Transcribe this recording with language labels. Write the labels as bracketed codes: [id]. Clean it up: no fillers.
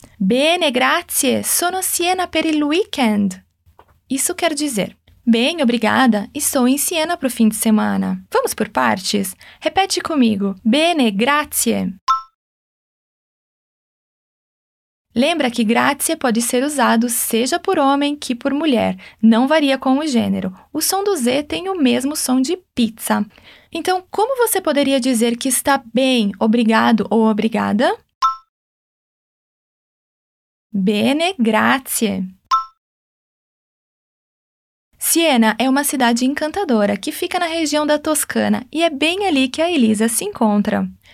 [it] Bene, grazie, sono a Siena per il weekend. [pt] Isso quer dizer. Bem, obrigada. Estou em Siena para o fim de semana. Vamos por partes? Repete comigo. [it] Bene, grazie. [pt] Lembra que grazie pode ser usado seja por homem que por mulher. Não varia com o gênero. O som do Z tem o mesmo som de pizza. Então, como você poderia dizer que está bem, obrigado ou obrigada? [it] Bene, grazie. [pt] Siena é uma cidade encantadora que fica na região da Toscana e é bem ali que a Elisa se encontra.